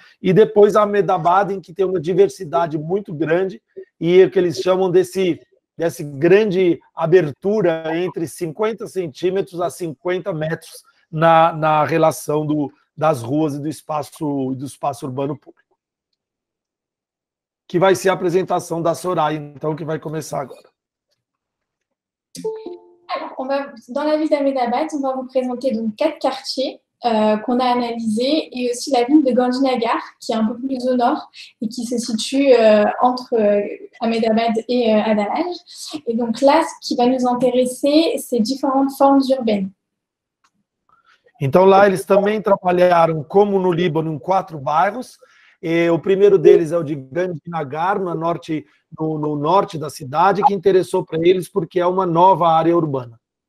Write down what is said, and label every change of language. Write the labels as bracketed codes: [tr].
[pt] E depois a Ahmedabad, em que tem uma diversidade muito grande, e é o que eles chamam desse grande abertura entre 50 centímetros a 50 metros na relação das ruas e do espaço urbano público. Que vai ser a apresentação da Soraya, então, que vai começar agora. [fr] Dans la ville d'Ahmedabad, on va vous présenter donc 4 quartiers qu'on a analysés et aussi la ville de Gandhinagar qui est un peu plus au nord et qui se situe entre Ahmedabad et Adalaj. Et donc là, ce qui va nous intéresser, c'est différentes formes urbaines. [pt] Então, lá eles também trabalharam, como no Líbano, em 4 bairros. E o primeiro deles é o de Gandhinagar, no norte da cidade, que interessou para eles porque é uma nova área urbana.